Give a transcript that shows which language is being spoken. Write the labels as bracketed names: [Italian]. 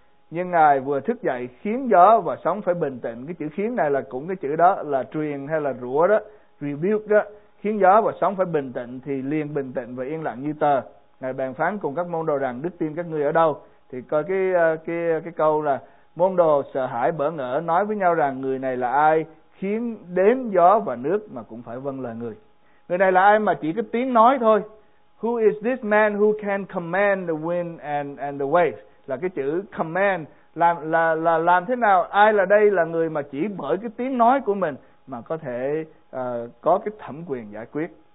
[Vietnamese] Nhưng Ngài vừa thức dậy khiến gió và sóng phải bình tĩnh. Cái chữ khiến này là cũng cái chữ đó, là truyền hay là rủa đó, rebuke đó, khiến gió và sóng phải bình tĩnh, thì liền bình tĩnh và yên lặng như tờ. Ngài bàn phán cùng các môn đồ rằng đức tin các ngươi ở đâu? Thì coi cái câu là môn đồ sợ hãi bỡ ngỡ nói với nhau rằng người này là ai khiến đến gió và nước mà cũng phải vâng lời người. Người này là ai mà chỉ có tiếng nói thôi? [English] Who is this man who can command the wind and the waves? [Vietnamese] Là cái chữ command, là làm thế nào, ai là đây là người mà chỉ bởi cái tiếng nói của mình mà có thể có cái thẩm quyền giải quyết.